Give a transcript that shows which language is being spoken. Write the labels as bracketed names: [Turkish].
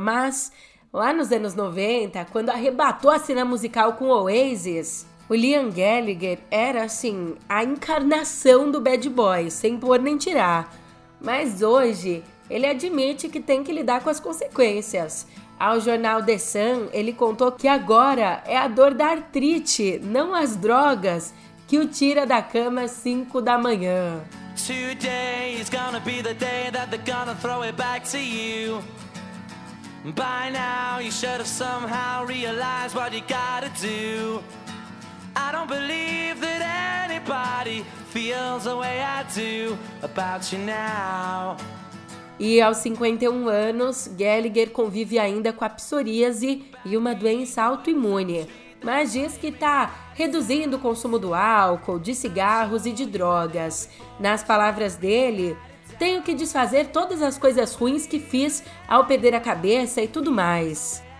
[Portuguese] Mas lá nos anos 90, quando arrebatou a cena musical com Oasis, o Liam Gallagher era, assim, a encarnação do bad boy, sem pôr nem tirar. Mas hoje, ele admite que tem que lidar com as consequências. Ao jornal The Sun, ele contou que agora é a dor da artrite, não as drogas, que o tira da cama às 5 da manhã. [English] Today is gonna be the day that they're gonna throw it back to you. By now you should have somehow realized what you gotta do. I don't believe that anybody feels the way I do about you now. [Portuguese] E aos 51 anos, Gallagher convive ainda com a psoríase e uma doença autoimune, mas diz que está reduzindo o consumo do álcool, de cigarros e de drogas. Nas palavras dele, tenho que desfazer todas as coisas ruins que fiz ao perder a cabeça e tudo mais.